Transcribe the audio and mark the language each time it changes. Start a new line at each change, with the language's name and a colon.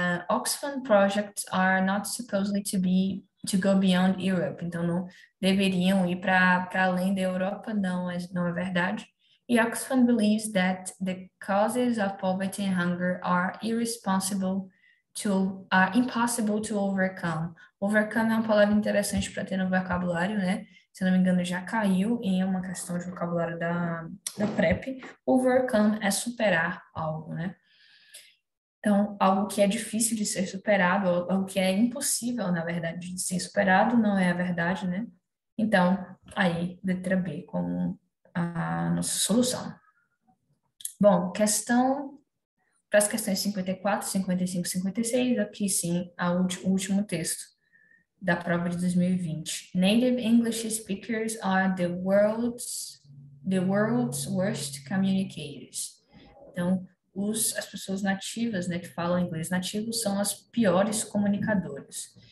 English: Oxfam projects are not supposedly to go beyond Europe.
Portuguese: Então, não deveriam ir para além da Europa, não é verdade.
English: E Oxfam believes that the causes of poverty and hunger are impossible to overcome.
Portuguese: Overcome é uma palavra interessante para ter no vocabulário, né? Se não me engano, já caiu em uma questão de vocabulário da PrEP. Overcome é superar algo, né? Então, algo que é difícil de ser superado, algo que é impossível, na verdade, de ser superado, não é a verdade, né? Então, aí, letra B como a nossa solução. Bom, para as questões 54, 55, 56, aqui sim, o último texto da prova de 2020.
English: Native English speakers are the world's worst communicators.
Portuguese: Então, as pessoas nativas, né, que falam inglês nativo, são as piores comunicadoras.